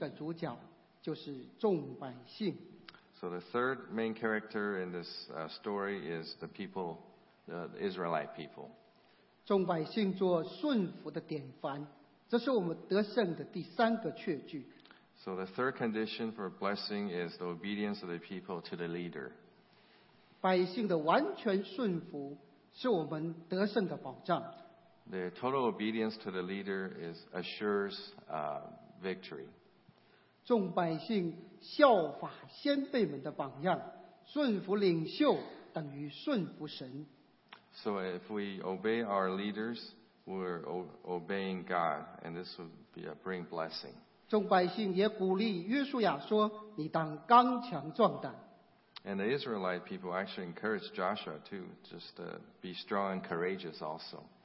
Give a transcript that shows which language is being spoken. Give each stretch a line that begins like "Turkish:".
Chinese: 在这三节的经文中，我们看见了另一个主角，就是众百姓。So
English: the third main character in this story is the people, the Israelite people.
Chinese: 众百姓做顺服的典范，这是我们得胜的第三个确据。So
English: the third condition for blessing is the obedience of the people to the leader.
Chinese: 百姓的完全顺服。
English: The total obedience to the leader assures victory.
Chinese: 众百姓效法先辈们的榜样，顺服领袖等于顺服神。
English: So if we obey our leaders, we're obeying God, and this would be a bring blessing.
Chinese: 众百姓也鼓励约书亚说：“你当刚强壮胆。”
English: And the Israelite people actually encouraged Joshua to just be strong and courageous also.